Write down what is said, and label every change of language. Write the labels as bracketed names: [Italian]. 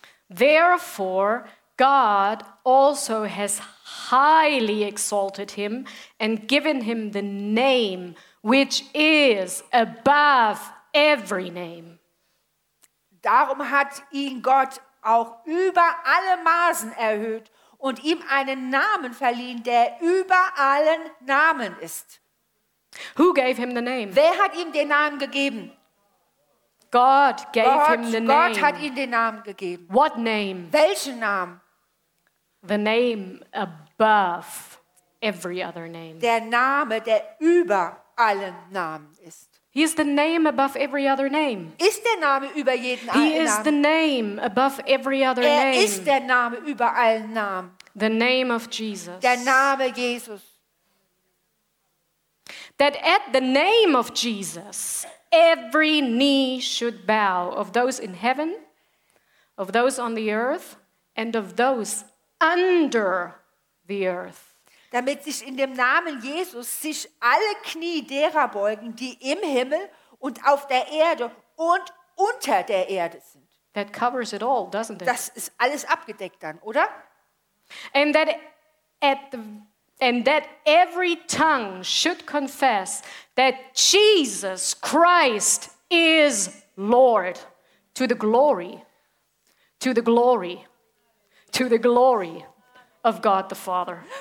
[English] Therefore, God also has highly exalted him and given him the name which is above every name. [German] Darum hat ihn Gott auch über alle Maßen erhöht und ihm einen Namen verliehen, der über allen Namen ist. [English] Who gave him the name? [German] Wer hat ihm den Namen gegeben? [English] God gave him the name. [German] Gott hat ihm den Namen gegeben. [English] What name? [German] Welchen Namen? [English] The name above every other name. [German] Der Name, der über allen Namen ist. [English] He is the name above every other name. [German] Ist der Name über jeden anderen Namen? [English] He is the name above every other [German] er [English] name. [German] Er ist der Name über allen Namen. [English] The name of Jesus. [German] Der Name Jesus. [English] That at the name of Jesus, every knee should bow, of those in heaven, of those on the earth, and of those under the earth. [German] Damit sich in dem Namen Jesus sich alle Knie derer beugen, die im Himmel und auf der Erde und unter der Erde sind. [English] That covers it all, doesn't it? [German] Das ist alles abgedeckt dann, oder? [English] And that every tongue should confess that Jesus Christ is Lord to the glory of God the Father.